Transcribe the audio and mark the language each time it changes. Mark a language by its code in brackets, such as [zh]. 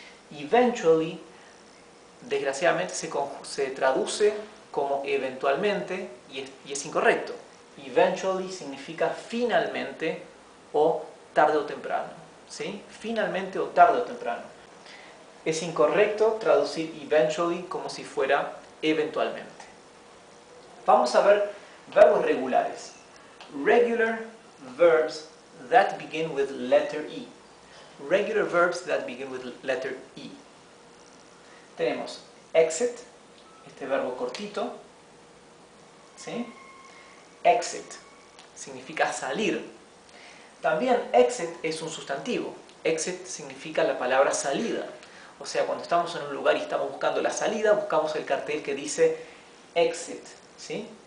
[es] Eventually, desgraciadamente se traduce como eventualmente y es incorrecto. Eventually significa finalmente o tarde o temprano. ¿Sí? Finalmente o tarde o temprano. Es incorrecto traducir eventually como si fuera eventualmente. Vamos a ver verbos regulares. [en] Regular verbs that begin with letter E. Regular verbs that begin with letter E. [es] Tenemos exit, este verbo cortito, ¿sí? Exit significa salir. También exit es un sustantivo. Exit significa la palabra salida. O sea, cuando estamos en un lugar y estamos buscando la salida, buscamos el cartel que dice exit, ¿sí?